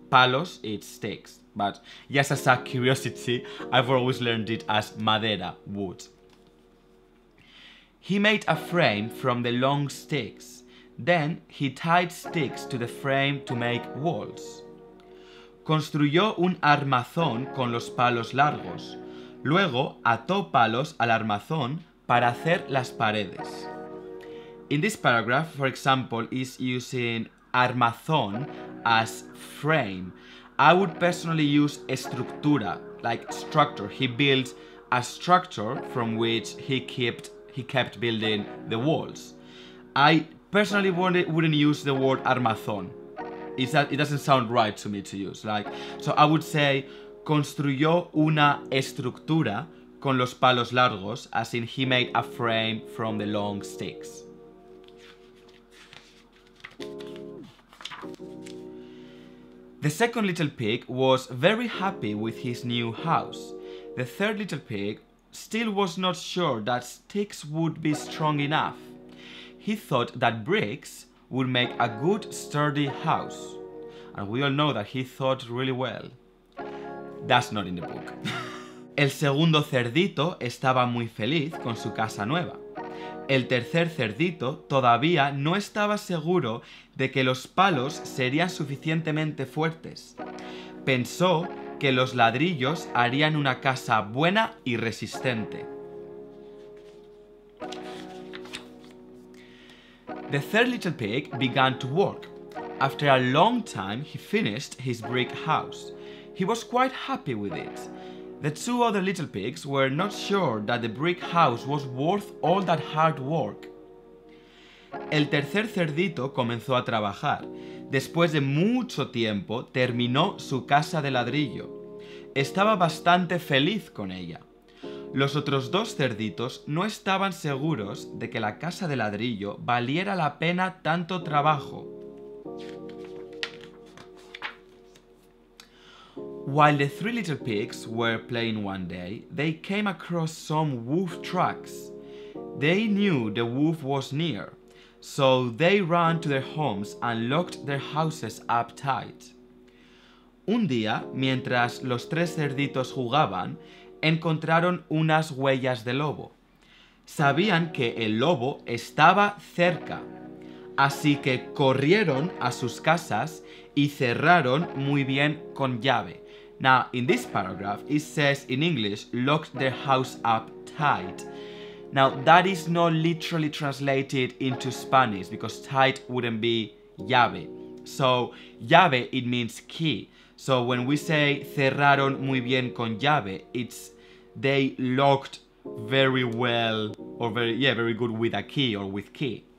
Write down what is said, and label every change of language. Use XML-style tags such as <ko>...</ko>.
<en>Palos, it's sticks. But just as a curiosity, I've always learned it as madera, wood. He made a frame from the long sticks. Then he tied sticks to the frame to make walls.</en> <es>Construyó un armazón con los palos largos. Luego ató palos al armazón para hacer las paredes.</es> <en>In this paragraph, for example, is using armazón as frame. I would personally use estructura, like structure. He built a structure from which he kept building the walls. I personally wouldn't use the word armazón. It doesn't sound right to me to use. Like, so I would say,</en> <es>construyó una estructura con los palos largos,</es> <en>as in he made a frame from the long sticks. The second little pig was very happy with his new house. The third little pig still was not sure that sticks would be strong enough. He thought that bricks would make a good sturdy house. And we all know that he thought really well. That's not in the book.</en> <es>El segundo cerdito estaba muy feliz con su casa nueva. El tercer cerdito todavía no estaba seguro de que los palos serían suficientemente fuertes. Pensó que los ladrillos harían una casa buena y resistente.</es> <en>The third little pig began to work. After a long time, he finished his brick house. He was quite happy with it. The two other little pigs were not sure that the brick house was worth all that hard work.</en> <es>El tercer cerdito comenzó a trabajar. Después de mucho tiempo, terminó su casa de ladrillo. Estaba bastante feliz con ella. Los otros dos cerditos no estaban seguros de que la casa de ladrillo valiera la pena tanto trabajo.</es> <en>While the three little pigs were playing one day, they came across some wolf tracks. They knew the wolf was near, so they ran to their homes and locked their houses up tight.</en> <es>Un día, mientras los tres cerditos jugaban, encontraron unas huellas de lobo. Sabían que el lobo estaba cerca, así que corrieron a sus casas y cerraron muy bien con llave.</es> <en>Now, in this paragraph, it says in English, locked their house up tight. Now, that is not literally translated into Spanish, because tight wouldn't be llave. So, llave, it means key. So, when we say</en> <es>cerraron muy bien con llave,</es> <en>it's they locked very well, or very good with a key or with key.</en>